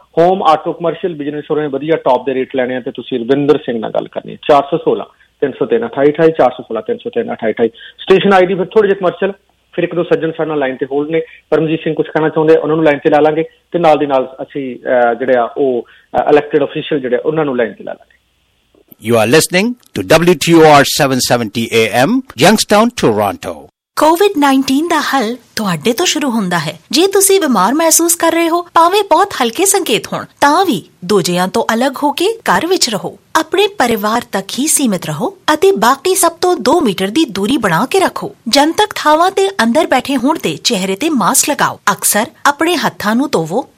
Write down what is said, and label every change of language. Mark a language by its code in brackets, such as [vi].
[pa] Home auto commercial business ਹੋਰ ਵਧੀਆ top ਦੇ ਰੇਟ ਲੈਣੇ ਆ ਤੇ ਤੁਸੀਂ ਰਵਿੰਦਰ ਸਿੰਘ ਨਾਲ ਗੱਲ ਕਰਨੀ ਹੈ। 416-303-2828 ਸਟੇਸ਼ਨ ਆਈ ਡੀ। ਫਿਰ ਥੋੜੇ ਜਿਹੇ ਕਮਰਸ਼ੀਅਲ, ਫਿਰ ਇੱਕ ਦੋ ਸੱਜਣ ਸਾਡੇ ਨਾਲ ਲਾਈਨ ਤੇ ਹੋਲਡ ਨੇ, ਪਰਮਜੀਤ ਸਿੰਘ ਕੁਛ ਕਹਿਣਾ ਚਾਹੁੰਦੇ ਉਹਨਾਂ ਨੂੰ ਲਾਈਨ ਤੇ ਲਾ ਲਾਂਗੇ ਤੇ ਨਾਲ ਦੀ ਨਾਲ ਅਸੀਂ ਜਿਹੜੇ ਆ ਉਹ ਇਲੈਕਟਡ ਅਫੀਸ਼ੀਅਲ ਜਿਹੜੇ ਆ ਉਹਨਾਂ ਨੂੰ ਲਾਈਨ ਤੇ ਲਾ ਲਾਂਗੇ। [en] You are listening to WTOR 770 AM, Youngstown, Toronto. [pa] COVID-19 ਦਾ ਹੱਲ ਤੁਹਾਡੇ ਤੋਂ ਸ਼ੁਰੂ ਹੁੰਦਾ ਹੈ। ਜੇ ਤੁਸੀਂ ਬਿਮਾਰ ਮਹਿਸੂਸ ਕਰ ਰਹੇ ਹੋ ਭਾਵੇਂ ਬਹੁਤ ਹਲਕੇ ਸੰਕੇਤ ਹੋਣ, ਤਾਂ ਵੀ ਦੂਜਿਆਂ ਤੋਂ ਅਲੱਗ ਹੋ ਕੇ ਘਰ ਵਿੱਚ ਰਹੋ, ਆਪਣੇ ਪਰਿਵਾਰ ਤੱਕ ਹੀ ਸੀਮਿਤ ਰਹੋ ਅਤੇ ਬਾਕੀ ਸਭ ਤੋਂ 2 ਮੀਟਰ ਦੀ ਦੂਰੀ ਬਣਾ ਕੇ ਰੱਖੋ। ਜਨਤਕ ਥਾਵਾਂ ਤੇ ਅੰਦਰ ਬੈਠੇ ਹੋਣ ਤੇ ਚਿਹਰੇ ਤੇ ਮਾਸਕ ਲਗਾਓ, ਅਕਸਰ ਆਪਣੇ ਹੱਥਾਂ ਨੂੰ ਧੋਵੋ।